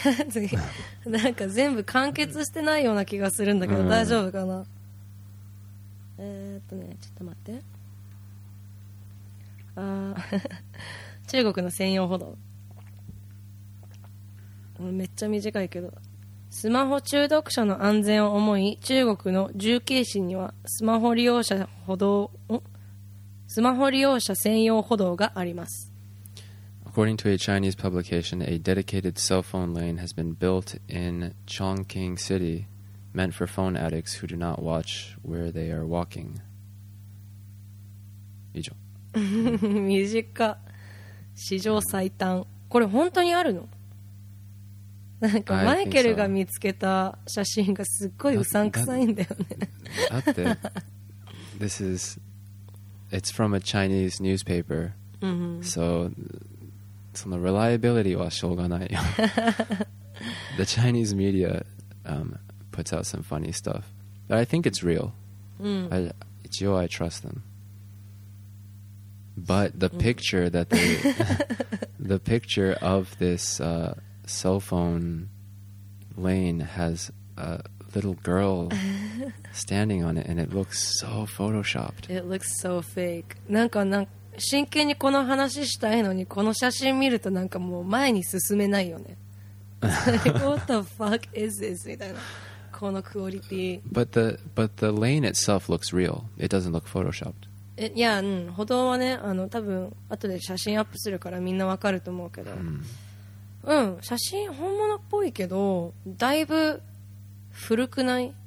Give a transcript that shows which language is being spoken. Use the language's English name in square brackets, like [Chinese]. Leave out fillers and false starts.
[Japanese] 次なんか全部完結してないような気がするんだけど大丈夫かなねちょっと待ってあー中国の専用歩道めっちゃ短いけどスマホ中毒者の安全を思い中国の重慶市にはスマホ利用者専用歩道があります [English] According to a Chinese publication a dedicated cell phone lane has been built in Chongqing City meant for phone addicts who do not watch where they are walking [Japanese] 以上短っ史上最短これ本当にあるのなんかマイケルが見つけた写真がすっごいうさんくさいんだよねだって [English] This is It's from a Chinese newspaper [Japanese] So, その reliability はしょうがない。 [English] The Chinese media puts out some funny stuff. But I think it's real. I trust them. But the picture that they... the picture of this cell phone lane has a little girl standing on it, and it looks so photoshopped. It looks so fake. [Japanese] なんかなんか真剣にこの話したいのにこの写真見るとなんかもう前に進めないよね。 [English] Like, what the fuck is this? [Japanese] みたいな。このクオリティ。 [English] But the lane itself looks real. It doesn't look photoshopped. [Japanese] いや、うん、歩道はね、あの多分後で写真アップするからみんなわかると思うけど、うん、写真本物っぽいけどだいぶ古くない？